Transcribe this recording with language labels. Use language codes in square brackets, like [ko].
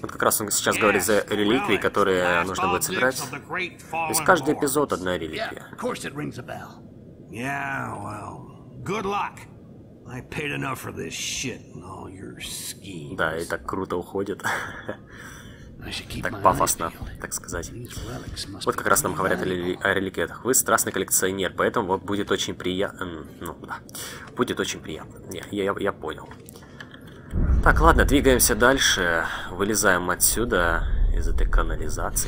[ru] Вот как раз он сейчас говорит за реликвии, которые нужно будет собирать. Из каждого эпизода одна реликвия. [en] Yeah, of course it rings a bell. Yeah, well, good luck. I paid enough for this shit and all your schemes. [ru] Да, и так круто уходит. Так пафосно, так сказать. Вот как раз нам говорят о реликвиях. Вы страстный коллекционер, поэтому вот будет очень приятно. Ну да, будет очень приятно. Я понял. Так, ладно, двигаемся дальше. Вылезаем отсюда, из этой канализации.